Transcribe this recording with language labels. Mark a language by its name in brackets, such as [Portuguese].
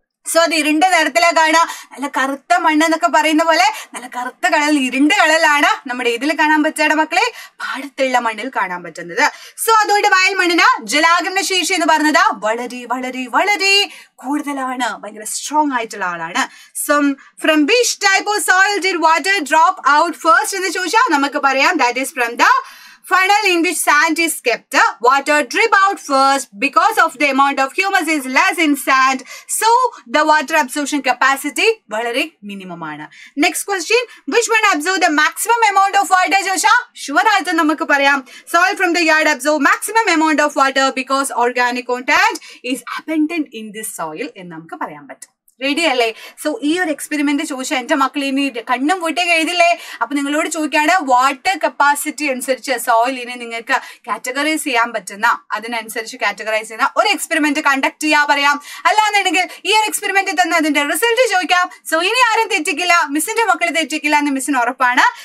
[Malayalam] So അത് ഇരുണ്ട നിറത്തിലാ കാണുക, നല്ല കറുത്ത മണ്ണ് എന്നൊക്കെ പറയുന്ന പോലെ നല്ല കറുത്ത കടലിൽ ഇരുണ്ട കടലാണ് നമ്മുടെ ഇതിൽ കാണാൻ പറ്റുന്ന മക്കളെ, പാടത്തുള്ള മണ്ണിൽ കാണാൻ പറ്റുന്നത്. സോ അതുകൊണ്ട് വയൽ മണ്ണിന് ജലാഗ്രഹണ ശേഷി എന്ന് പറഞ്ഞത് വളരെ വളരെ വളരെ കൂടുതലാണ്, ഭയങ്കര സ്ട്രോങ് ആയിട്ടുള്ള ആളാണ്. [English] so from which type of soil did water drop out first [Malayalam] എന്ന് ചോദിച്ചാൽ നമുക്ക് പറയാം, [English] that is from the funnel in which sand is kept, water drip out first because of the amount of humus is less in sand, so the water absorption capacity [Malayalam] valare minimum aana. [English] Next question, which one absorb the maximum amount of water? [Malayalam] Josha sure aithu namaku parayam, [English] soil from the yard absorb maximum amount of water because organic content is abundant in this soil [Malayalam] en namaku parayan pattum. Ready അല്ലേ? So ഈ ഒരു experiment ചോദിച്ചാൽ എന്റെ മക്കൾ ഇനി കണ്ണും പൂട്ടേ കഴിയില്ലേ. അപ്പൊ നിങ്ങളോട് ചോദിക്കാണ്, വാട്ടർ കപ്പാസിറ്റി അനുസരിച്ച് സോയിലിനെ നിങ്ങൾക്ക് കാറ്റഗറൈസ് ചെയ്യാൻ പറ്റുന്ന, അതിനനുസരിച്ച് കാറ്റഗറൈസ് ചെയ്യുന്ന ഒരു എക്സ്പെരിമെന്റ് കണ്ടക്ട് ചെയ്യാൻ പറയാം. അല്ലാന്നുണ്ടെങ്കിൽ ഈ ഒരു എക്സ്പെരിമെന്റ് തന്നെ അതിന്റെ റിസൾട്ട് ചോദിക്കാം. സോ ഇനി ആരും തെറ്റിക്കില്ല, മിസ്സിന്റെ മക്കൾ തെറ്റിക്കില്ല എന്ന് മിസ്സിന് ഉറപ്പാണ്.